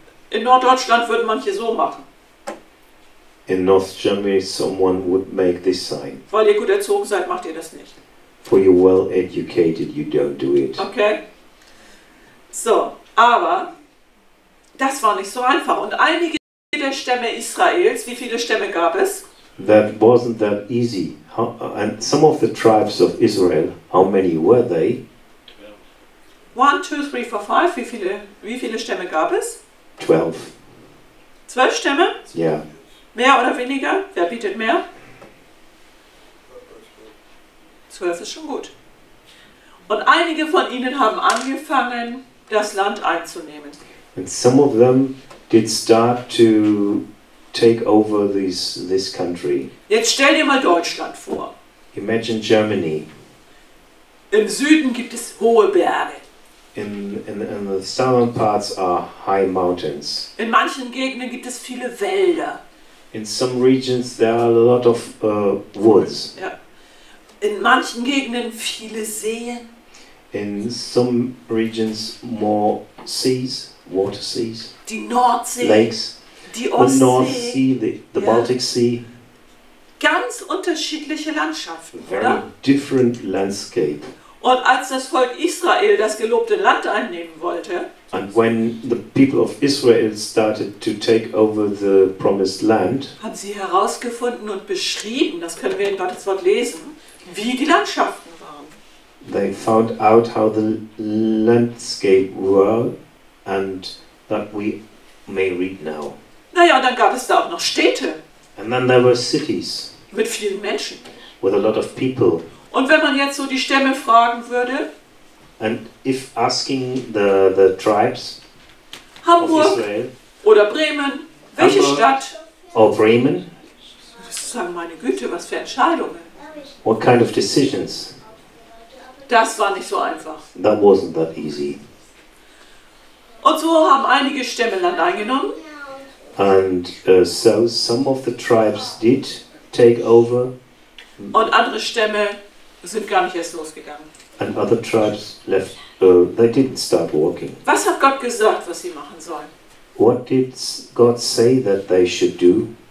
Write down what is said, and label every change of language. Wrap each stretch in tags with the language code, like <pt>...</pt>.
<de>In Norddeutschland würden manche so machen.</de> <en>In North Germany, someone would make this sign.</en> <de>Weil ihr gut erzogen seid, macht ihr das nicht.</de> <en>For you're well educated, you don't do it. Okay.</en> <de>So, aber das war nicht so einfach. Und einige der Stämme Israels, wie viele Stämme gab es?</de> <en>That wasn't that easy. And some of the tribes of Israel, how many were they?</en> <de>1, 2, 3, 4, 5. Wie viele Stämme gab es? 12. 12 Stämme? Ja. Yeah. Mehr oder weniger? Wer bietet mehr? 12 ist schon gut. Und einige von ihnen haben angefangen, das Land einzunehmen.</de> <en>And some of them did start to take over this country.</en> <de>Jetzt stell dir mal Deutschland vor.</de> <en>Imagine Germany.</en> <de>Im Süden gibt es hohe Berge.</de> <en>In the southern parts are high mountains.</en> <de>In manchen Gegenden gibt es viele Wälder.</de> <en>In some regions there are a lot of woods.</en> <de>Ja. In manchen Gegenden viele Seen.</de> <en>In some regions more seas, water seas.</en> <de>Die Nordsee.</de> <en>Lakes.</en> <de>Die Ostsee,</de> <en>the North Sea, the ja. Baltic Sea.</en> <de>Ganz unterschiedliche Landschaften,</de> <en>very</en> <de>oder?</de> <en>Different landscape.</en> <de>Und als das Volk Israel das gelobte Land einnehmen wollte,</de> <en>and when the people of Israel started to take over the promised land,</en> <de>haben sie herausgefunden und beschrieben, das können wir in Gottes Wort lesen, wie die Landschaften waren.</de> <en>They found out how the landscape were and that we may read now.</en> <de>Naja, und dann gab es da auch noch Städte.</de> <en>And then there were cities.</en> <de>Mit vielen Menschen.</de> <en>With a lot of people.</en> <de>Und wenn man jetzt so die Stämme fragen würde.</de> <en>And if asking the tribes</en> <de>Hamburg</de> <en>of Israel,</en> <de>oder Bremen, welche</de> <en>Hamburg</en> <de>Stadt?</de> <en>Or Bremen.</en> <de>Das ist sagen meine Güte, was für Entscheidungen.</de> <en>What kind of decisions?</en> <de>Das war nicht so einfach.</de> <en>That wasn't that easy.</en> <de>Und so haben einige Stämme Land eingenommen.</de> <en>And so some of the tribes did take over.</en> <de>Und andere Stämme sind gar nicht erst losgegangen.</de> <en>And other tribes left, they didn't start walking.</en> <de>Was hat Gott gesagt, was sie machen sollen?</de> <en>What did God say that they should do?</en>